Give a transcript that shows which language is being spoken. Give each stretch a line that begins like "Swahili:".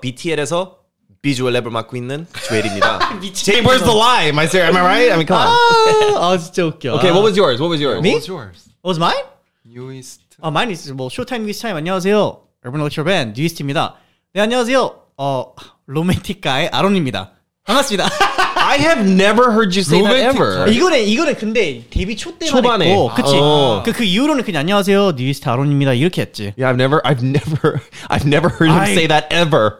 Korean: BTL에서 비주얼 랩을 맡고 있는 조엘입니다.
English: Where's the lie? Am I right? I mean, come on. Oh, it's joking. Okay, what was yours? What was yours? Me? What was yours? What was mine? Newest. Oh, mine is, well, Showtime Newest Time.
Korean: 안녕하세요.
English: Urban Electro Band.
Korean: Newest입니다. 네, 안녕하세요. 로맨틱 가이 아론입니다. 반갑습니다.
English: I have never heard you say that ever.
Korean: 이거는 근데 데뷔 초 때만 초반에. 했고, 그렇지. 그 이후로는 그냥 안녕하세요, 뉴이스트 아론입니다 이렇게 했지.
English: Yeah, I've never heard him say that ever.